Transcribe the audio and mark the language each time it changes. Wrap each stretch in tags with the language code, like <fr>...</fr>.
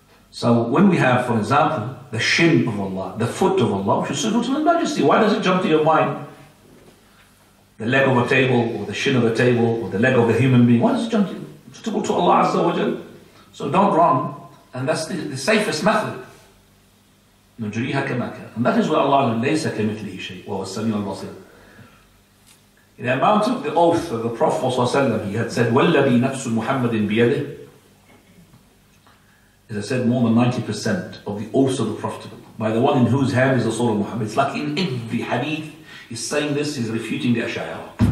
<en>So when we have, for example, the shin of Allah, the foot of Allah, which is suitable to His Majesty, why does it jump to your mind? The leg of a table, or the shin of a table, or the leg of a human being, why does it jump to you? Suitable to Allah Azza wa Jal. So don't run. And that's the safest method.</en> <ar>نُجْرِيهَا كَمَاكَ.</ar> <en>And that is where</en> <ar>Allah لَيْسَ كَمِثْلِهِ شَيْءٍ وَهُوَ السَّمِيعُ الْبَصِيرُ.</ar> <en>The amount of the oath of the Prophet ﷺ, he had said,</en> <ar>وَالَّذِي نَفْسُ مُحَمَّدٍ بِيَدِهِ.</ar> <en>As I said, more than 90% of the oaths of the Prophet, by the one in whose hand is the soul of Muhammad. It's like in every hadith, he's saying this, he's refuting the Ash'ara.</en>